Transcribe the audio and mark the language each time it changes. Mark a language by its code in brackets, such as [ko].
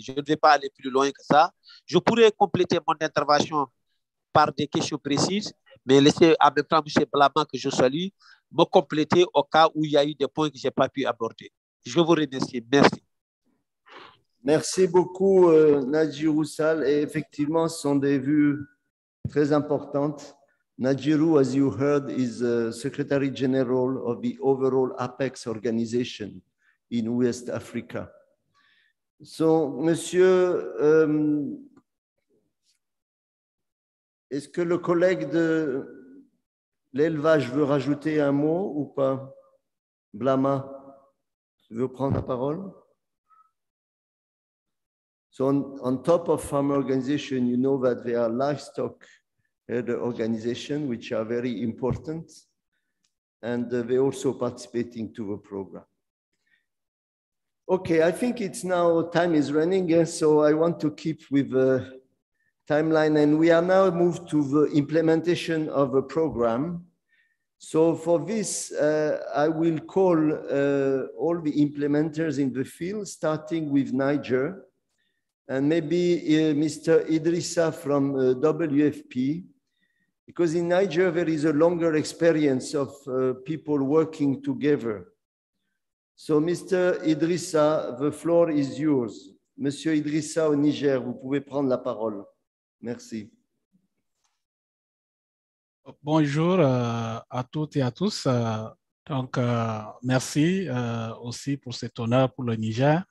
[fr] Je ne vais pas aller plus loin que ça. Je pourrais compléter mon intervention par des questions précises, mais laissez en même temps M. Blaman, que je salue, me compléter au cas où il y a eu des points que je n'ai pas pu aborder. Je vous remercie. Merci. Merci beaucoup, Nadjirou Sall. Et effectivement, ce sont des vues très importantes. [en] Nadjirou, as you heard, is Secretary General of the overall APEX organization in West Africa. [fr] So, Monsieur, est-ce que le collègue de l'élevage veut rajouter un mot ou pas? Blama, tu veux prendre la parole? [en] So, on top of farm organization, you know that there are livestock organization, which are very important, and they're also participating to the program. Okay, I think it's now time is running, so I want to keep with the timeline, and we are now moved to the implementation of a program. So for this, I will call all the implementers in the field, starting with Niger, and maybe Mr. Idrissa from WFP, because in Niger there is a longer experience of people working together. So Mr. Idrissa, the floor is yours. [fr] Monsieur Idrissa au Niger, vous pouvez prendre la parole. Merci. Bonjour à toutes et à tous. Donc, merci aussi pour cet honneur pour le Niger.